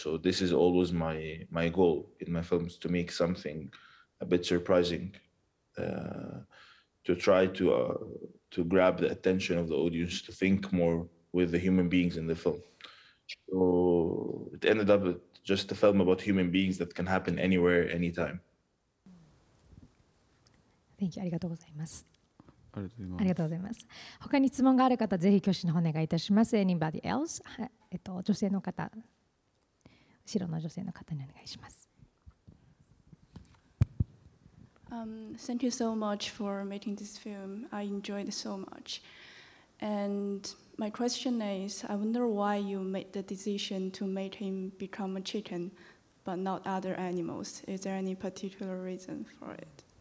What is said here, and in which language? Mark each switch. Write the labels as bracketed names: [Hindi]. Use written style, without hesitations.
[English] So this is always my goal in my films, to make something a bit surprising, to try to grab the attention of the audience, to think more with the human beings in the film. So it ended up just a film about human beings that can happen anywhere, anytime. Thank you. [Japanese] ありがとうございます。ありがとうございます。他に質問がある方、ぜひ挙手の方お願いいたします。 [English] Anybody else? [Japanese] 女性の方、後ろの女性の方にお願いします。 [English] Thank you so much for making this film. I enjoyed it so much. And my question is, I wonder why you made the decision to make him become a chicken, but not other animals. Is there any particular reason for it?